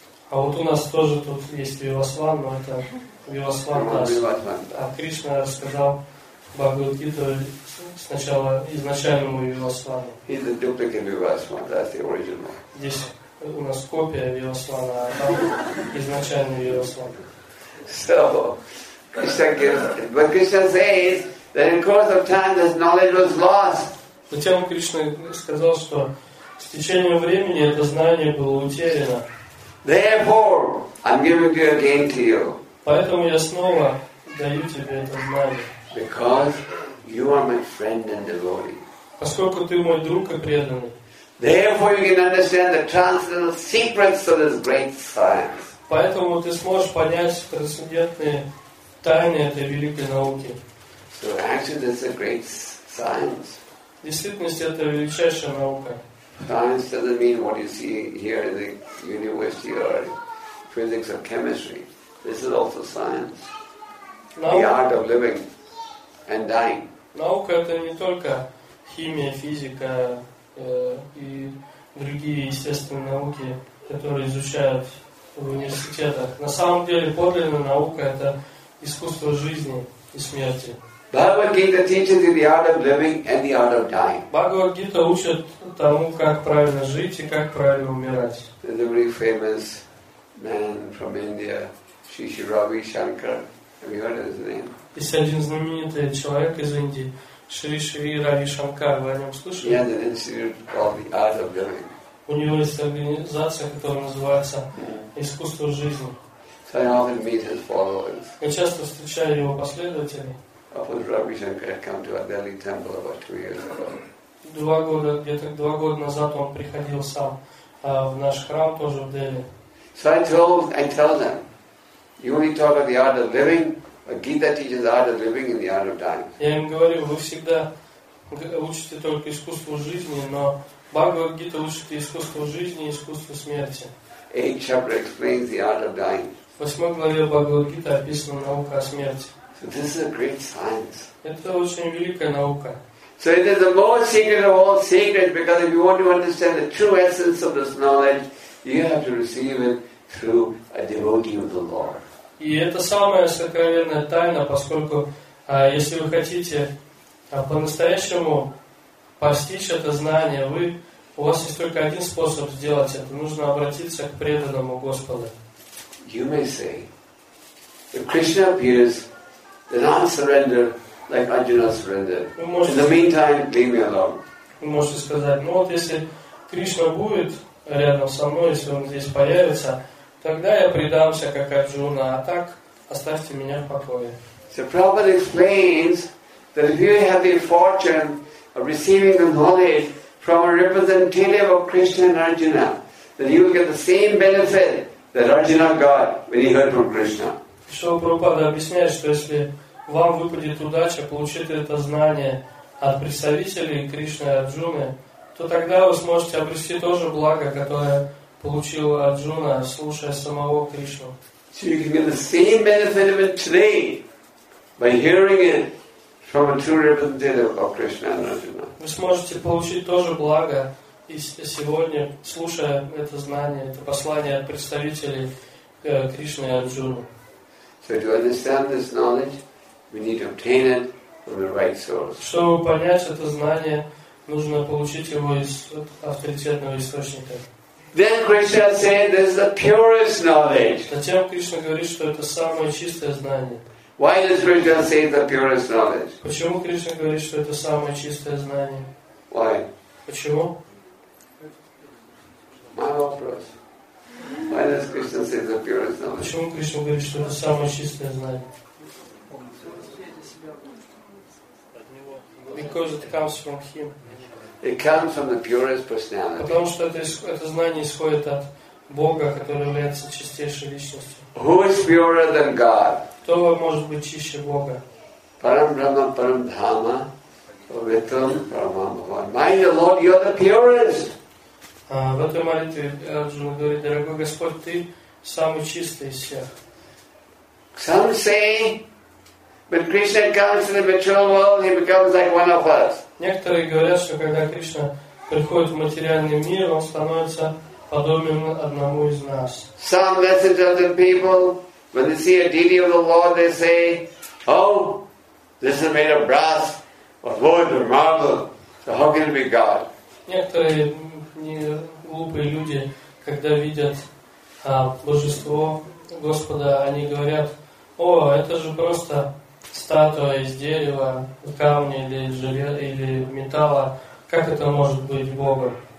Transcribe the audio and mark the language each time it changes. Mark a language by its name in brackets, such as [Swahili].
[Russian] А вот у нас тоже тут есть Вивасван, но это Вивасван Дас. А Кришна рассказал Бхагавад Гиту сначала изначальному Вивасвану. [English] He's the duplicate Vivasvan, that's the original. [Russian] Здесь у нас копия Вивасвана, а там изначальный Вивасван. [English] So, Krishna gives, but Krishna says that in course of time this knowledge was lost. [Russian] Затем Кришна сказал, что с течением времени это знание было утеряно. [English] Therefore, I'm giving it again to you. [Russian] Поэтому я снова даю тебе это знание. [English] Because you are my friend and devotee. [Russian] Поскольку ты мой друг и преданный. [English] Therefore, you can understand the transcendental secrets of this great science. [Russian] Поэтому ты сможешь понять трансцендентные тайны этой великой науки. [English] So actually, this is a great science. [Russian] В действительности это величайшая наука. [English] Science doesn't mean what you see here in the university or physics or chemistry. This is also science. The art of living and dying. [Russian] Наука это не только химия, физика и другие естественные науки, которые изучают в университетах. На самом деле подлинная наука это искусство жизни и смерти. [English] Bhagavad Gita teaches you the art of living and the art of dying. [Russian] Bhagavad Gita учит тому, как правильно жить и как правильно умирать. [English] There's a very famous man from India, Shishir Ravi Shankar. Have you heard of his name? [Russian] Есть один знаменитый человек из Индии, Шришри Рави Шанкар. Вы о нем слышали? [English] He has an institute called the Art of Living. [Russian] У него есть организация, которая называется Искусство жизни. [English] So I often meet his followers. [Russian] Я часто встречаю его последователей. [English] Of course, Ravi Shankar had come to our Delhi temple about 2 years ago. [Russian] Где-то два года назад он приходил сам в наш храм тоже в Дели. [English] So I tell them, you only talk of the art of living, but Gita teaches the art of living and the art of dying. [Russian] Я им говорю, вы всегда учите только искусство жизни, но Бхагавад-гита учит искусство жизни и искусство смерти. [English] 8th chapter explains the art of dying. [Russian] В 8 главе Бхагавад-гита описана наука о смерти. [English] So this is a great science. [Russian] Это очень великая наука. [English] So it is the most secret of all secrets, because if you want to understand the true essence of this knowledge, you have to receive it through a devotee of the Lord. [Russian] И это самая сокровенная тайна, поскольку если вы хотите по-настоящему постичь это знание, вы у вас есть только один способ сделать это. Нужно обратиться к преданному Господу. [English] You may say, if Krishna appears, then I'll surrender. Like Arjuna surrendered. In the meantime, leave me alone. [Russian] Вы можете сказать, ну вот если Кришна будет рядом со мной, если он здесь появится, тогда я предамся как Арджуна, а так оставьте меня в покое. [English] So Prabhupada explains that if you have the fortune of receiving the knowledge from a representative of Krishna and Arjuna, then you will get the same benefit that Arjuna got when he heard from Krishna. [Russian] Шрила Прабхупада объясняет, что если вам выпадет удача получить это знание от представителей Кришны и Арджуны, то тогда вы сможете обрести то же благо, которое получил Арджуна, слушая самого Кришну. [English] So you can get the same benefit of it today by hearing it from a true representative of Krishna and Arjuna. [Russian] Вы сможете получить то же благо и сегодня, слушая это знание, это послание от представителей Кришны и Арджуны. [English] So do you understand this knowledge? We need to obtain it from the right source. [Russian] Чтобы понять это знание, нужно получить его из авторитетного источника. [English] Then Krishna said, "This is the purest knowledge." [Russian] Затем Кришна говорит, что это самое чистое знание. [English] Why does Krishna say the purest knowledge? [Russian] Почему Кришна говорит, что это самое чистое знание? [English] Why? [Russian] Почему? [English] My [Russian] вопрос. [English] Why does Krishna say the purest knowledge? [Russian] Почему Кришна говорит, что это самое чистое знание? [English] Because it comes from him. It comes from the purest personality. [Russian] Потому что это знание исходит от Бога, который является чистейшей личностью. [English] Who is purer than God? [Russian] Кто может быть чище Бога? [Sanskrit] Param Brahma Param Dhamma Vitam Paramam Bhavan. [English] My Lord, you are the purest. [Russian] В этой молитве Арджуна говорит, дорогой Господь, ты самый чистый из всех. [English] Some say, when Krishna comes in the material world, he becomes like one of us. [Russian] Некоторые говорят, что когда Кришна приходит в материальный мир, он становится подобен одному из нас. [English] Some less intelligent people, when they see a deity of the Lord, they say, "Oh, this is made of brass or wood or marble. So how can it be God?" [Russian] Некоторые не глупые люди, когда видят божество Господа, они говорят, "О, это же просто статуя из дерева, камня или железа или металла. Как это может быть Богом?"